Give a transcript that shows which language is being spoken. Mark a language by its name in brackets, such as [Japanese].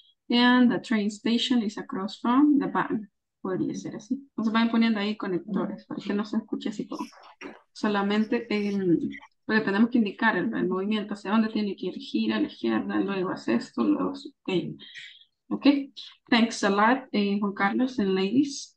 [English] And the train station is across from the bank. [Spanish] Podría ser así. Entonces van poniendo ahí conectores para que no se escuche así todo. Solamente porque tenemos que indicar el movimiento, hacia dónde tiene que ir, gira a la izquierda, luego hace esto, luego okay. [English] Okay, thanks a lot, Juan Carlos and ladies.